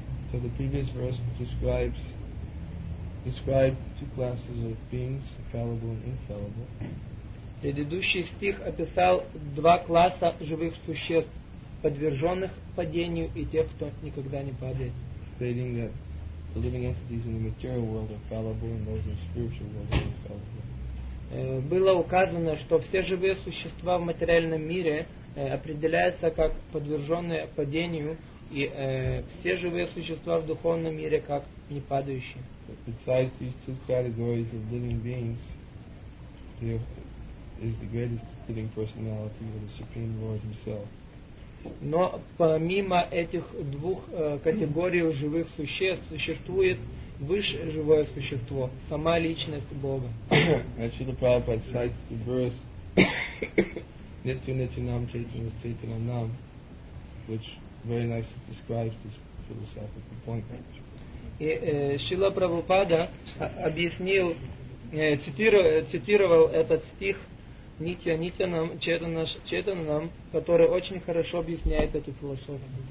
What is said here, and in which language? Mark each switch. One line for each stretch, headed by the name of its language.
English: So the previous verse described two classes of beings, fallible and infallible.
Russian: Предыдущий стих описал два класса живых существ, подверженных падению и тех, кто никогда не падает.
English: Stating that the living entities in the material world are fallible and those in the spiritual world are infallible.
Russian: Было указано, что все живые существа в материальном мире определяются как подверженные падению, и все живые существа в духовном мире как непадающие.
English: Besides these two categories of living beings, there is the greatest living personality of the Supreme Lord Himself.
Russian: Но помимо этих двух категорий живых существ существует высшее живое существо, сама личность Бога.
English: Actually, Prabhupada cites the verse
Sanskrit: Nitya Nityanam Chaitanya Chaitanam,
English: which very nicely describes this philosophical point.
Russian: И Шрила Прабхупада объяснил, цитировал этот стих
Sanskrit: Nitya Nityanam Chaitanya Chaitanam,
Russian: который очень хорошо объясняет эту философию.